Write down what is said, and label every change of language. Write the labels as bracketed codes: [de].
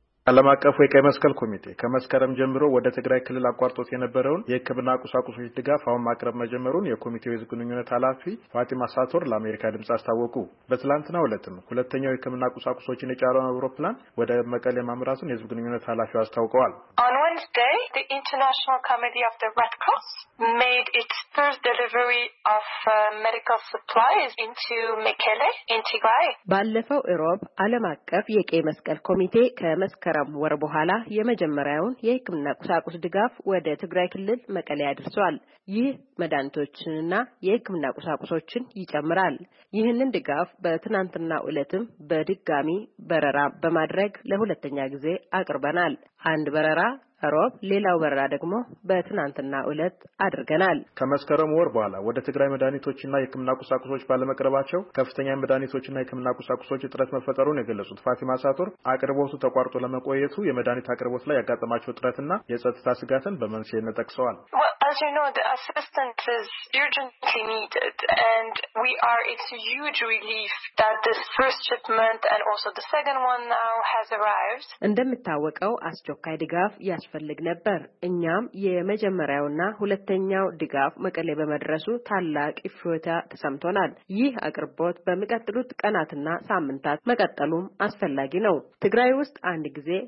[am] ዓለም አቀፉ የቀይ መስቀል ኮሚቴ ከመስከረም ጀምሮ ወደ ትግራይ ክልል አቋርጦት የነበረውን የህክምና ቁሳቁሶች ድጋፍ አሁን ማቅረብ መጀመሩን የኮሚቴው የግንኙነት ኃላፊ ፋቲማ ሳቶር ለአሜሪካ ድምጽ አስታወቁ። በትላንትናው ዕለትም ሁለተኛው የህክምና ቁሳቁሶችን የጫረውን አውሮፕላን ወደ መቀሌ ማምራቱን የህዝብ ግንኙነት ኃላፊው አስታውቀዋል። [en] On Wednesday, the International Committee of the Red Cross made its first delivery of medical supplies into Mekele, in Tigray. [am] ባለፈው ኢሮብ ዓለም አቀፍ የቀይ መስቀል ኮሚቴ ከመስከረም ወር በኋላ የመጀመሪያውን የህክምና ቁሳቁስ ድጋፍ ወደ ትግራይ ክልል መቀሌ አድርሷል። ይህ መዳንቶችንና የህክምና ቁሳቁሶችን ይጨምራል። ይህንን ድጋፍ በትናንትናው ዕለትም በድጋሚ በረራ በማድረግ ለሁለተኛ ጊዜ አቅርበናል። አንድ በረራ አሮብ ሌላው በረራ ደግሞ በትናንትናው ዕለት አድርገናል። ከመስከረም ወር በኋላ ወደ ትግራይ መዳኒቶችና የህክምና ቁሳቁሶች ባለመቅረባቸው ከፍተኛ መዳኒቶችና የህክምና ቁሳቁሶች እጥረት መፈጠሩን የገለጹት ፋቲማ ሳቶር አቅርቦቱ ተቋርጦ ለመቆየቱ የመዳኒት አቅርቦት ላይ ያጋጠማቸው እጥረትና የጸጥታ ስጋትን በመንስኤነት ጠቅሰዋል። [en] As you know, the assistance is urgently needed, and it's a huge relief that this first shipment and also the second one now has arrived. [am] እንደምታወቀው አስቸኳይ ድጋፍ ያስፈልግ ነበር። እኛም የመጀመሪያውና ሁለተኛው ድጋፍ መቀሌ በመድረሱ ታላቅ ፍሬታ ተሰምቶናል። ይህ አቅርቦት በሚቀጥሉት ቀናትና ሳምንታት መቀጠሉም አስፈላጊ ነው። ትግራይ ውስጥ አንድ ጊዜ